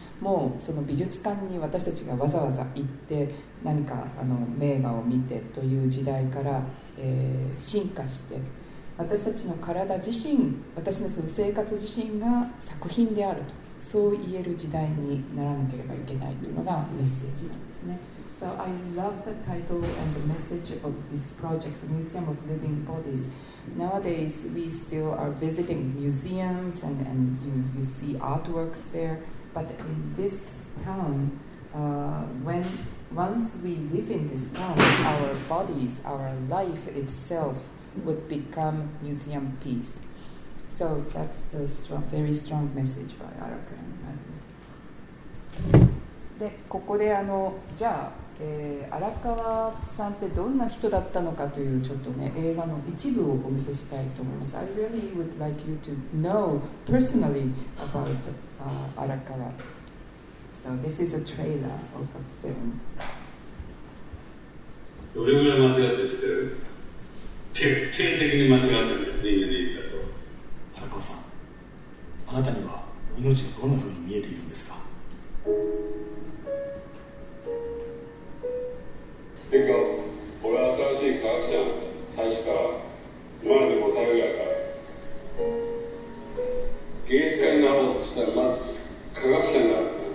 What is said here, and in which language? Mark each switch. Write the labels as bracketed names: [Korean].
[Japanese] もうその美術館に私たちがわざわざ行って何かあの名画を見てという時代から、進化して、私たちの体自身、私のその生活自身が作品であると、そう言える時代にならなければいけないというのがメッセージなんですね。 [English] So I love the title and the message of this project, Museum of Living Bodies. Nowadays, we still are visiting museums and you see artworks there. But in this town, once we live in this town, our bodies, our life itself would become museum piece. So that's the very strong message by Araka and Matthew. [Japanese] で、ここで、あの、じゃあ、荒川さんってどんな人だったのかというちょっとね映画の一部をお見せしたいと思います。 [English] I really would like you to know personally about 荒川。 So this is a trailer of a film. [Japanese] どれぐらい間違ってきてる？徹底的に間違ってきてる、人間でいいんだと。荒川さん、あなたには命がどんな風に見えているんですか？てか、俺は新しい科学者なんだ。最初から生まれて5歳ぐらいから芸術家になろうとしたら、まず科学者になるんだ。